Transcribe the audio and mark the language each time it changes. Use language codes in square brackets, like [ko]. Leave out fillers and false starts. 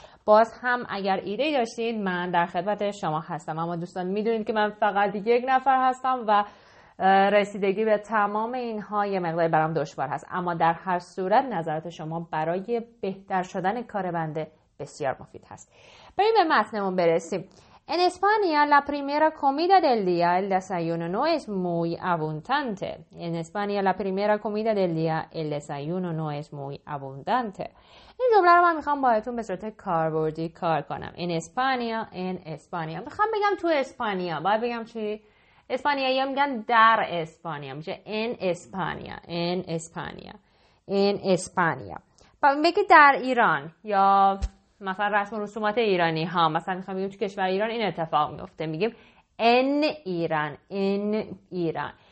[fa] باز هم اگر ایده داشتین من در خدمت شما هستم. اما دوستان میدونید که من فقط یک نفر هستم و رسیدگی به تمام اینها یه مقدار برام دشوار هست. اما در هر صورت نظرات شما برای بهتر شدن کار بنده بسیار مفید هست. بریم به متنمون برسیم. [es] En España la primera comida del día el desayuno no es muy abundante. En España la primera comida del día el desayuno no es muy abundante. [fa] این جمله رو من میخوام باهاتون به صورت کاربردی کار کنم. [es] En España, en España. [fa] میخوام بگم تو اسپانیا، باید بگم چی؟ اسپانیایی‌ها میگن در اسپانیا، میشه [es] en España, en España. En España. [fa] پس میگه در ایران یا مثلا رسم و رسومات ایرانی ها، مثلا میخوام بگیم تو کشور ایران این اتفاق میفته، میگیم ان ایران، ان ایران.